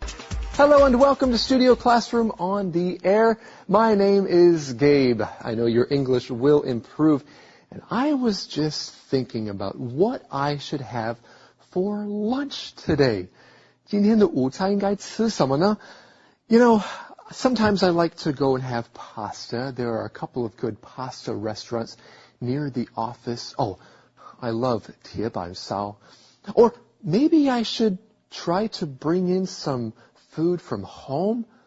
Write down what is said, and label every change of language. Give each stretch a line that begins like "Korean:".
English: Hello and welcome to Studio Classroom on the Air. My name is Gabe. I know your English will improve. And I was just thinking about what I should have for lunch today.
Chinese: 今天的午餐应该吃什么呢?
English: You know, sometimes I like to go and have pasta. There are a couple of good pasta restaurants near the office. Oh, I love 铁板烧.Or maybe I should try to bring in some food from home.